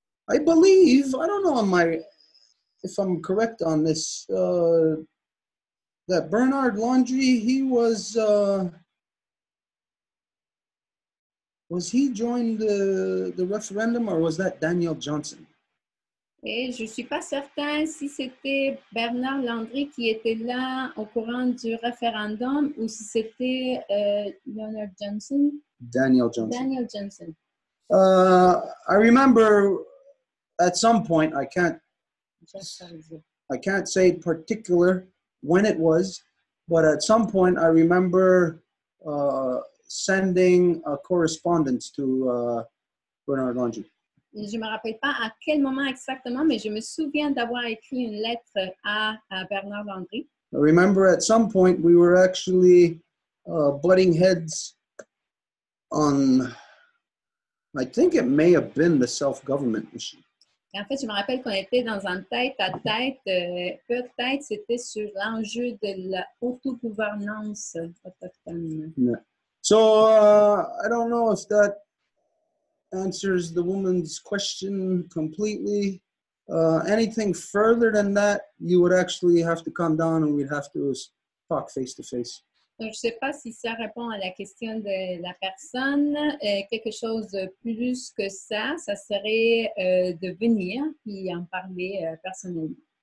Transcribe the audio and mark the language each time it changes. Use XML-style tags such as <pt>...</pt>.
<en>I believe, I don't know if I'm correct on this, that Bernard Landry, he was he joined the referendum or was that Daniel Johnson?</en> <fr>Et je ne suis pas certain si c'était Bernard Landry qui était là au courant du référendum ou si c'était Leonard Johnson.</fr> <en>Daniel Johnson. Daniel Johnson. I remember at some point, I can't say particular when it was, but at some point I remember sending a correspondence to Bernard Landry.</en> <fr>Je me rappelle pas à quel moment exactement, mais je me souviens d'avoir écrit une lettre à Bernard Landry.</fr> <en>I remember at some point we were actually butting heads on, I think it may have been the self-government issue.</en> <fr>Et en fait, je me rappelle qu'on était dans un tête-à-tête, peut-être c'était sur l'enjeu de l'autogouvernance autochtone.</fr> <en>Yeah. So, I don't know if that answers the woman's question completely. Anything further than that, you would actually have to come down and we'd have to talk face to face.</en> <fr>Donc, je ne sais pas si ça répond à la question de la personne. Quelque chose de plus que ça, ça serait de venir et en parler personnellement.</fr>